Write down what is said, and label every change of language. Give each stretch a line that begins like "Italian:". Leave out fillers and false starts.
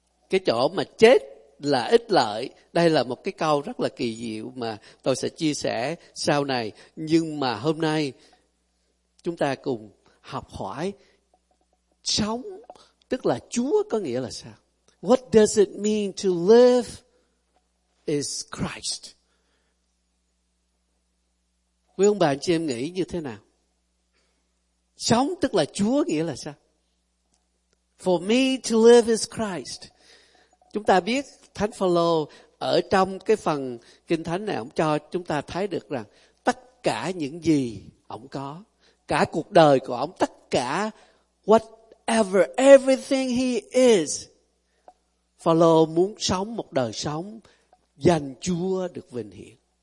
Vietnamese: Cái chỗ mà chết là ích lợi, đây là một cái câu rất là kỳ diệu mà tôi sẽ chia sẻ sau này. Nhưng mà hôm nay chúng ta cùng học hỏi sống tức là Chúa có nghĩa là sao?
English: What does it mean to live is Christ?
Vietnamese: Quý ông bà anh chị em nghĩ như thế nào? Sống tức là Chúa nghĩa là sao?
English: For me to live is Christ.
Vietnamese: Chúng ta biết Thánh Phaolô ở trong cái phần Kinh Thánh này, ông cho chúng ta thấy được rằng tất cả những gì ông có, cả cuộc đời của ông, tất cả
English: whatever, everything he is,
Vietnamese: Phaolô muốn sống một đời sống dành Chúa được vinh hiển.